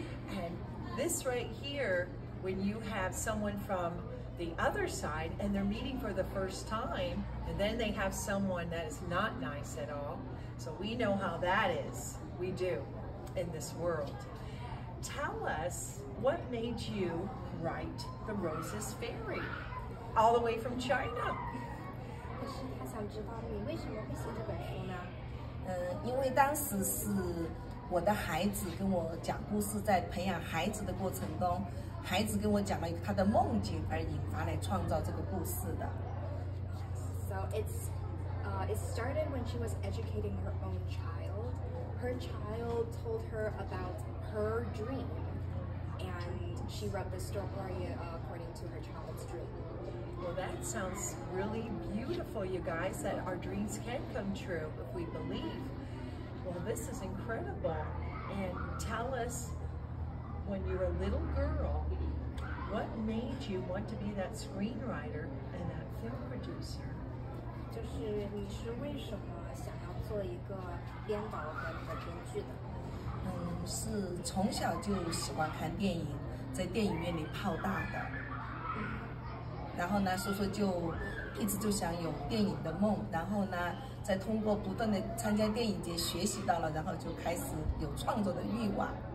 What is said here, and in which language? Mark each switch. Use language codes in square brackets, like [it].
[en] And this right here, when you have someone from the other side and they're meeting for the first time, and then they have someone that is not nice at all. So we know how that is. We do in this world. Tell us, what made you write The Roses Fairy all the way from China? [zh] 可是他想知道你为什么会写这本书呢？因为当时是我的孩子跟我讲故事，在培养孩子的过程中，孩子跟我讲了他的梦境，而引发来创造这个故事的。 [en] So it started when she was educating her own child. Her child told her about her dream, and she wrote the story according to her child's dream. Well, that sounds really beautiful, you guys, that our dreams can come true if we believe. Well, this is incredible. And tell us, when you were a little girl, what made you want to be that screenwriter and that film producer? [zh] 就是你是为什么想要做一个编导和那个编剧的？是从小就喜欢看电影，在电影院里泡大的。然后呢，叔叔就一直就想有电影的梦，然后呢，再通过不断的参加电影节学习到了，然后就开始有创作的欲望。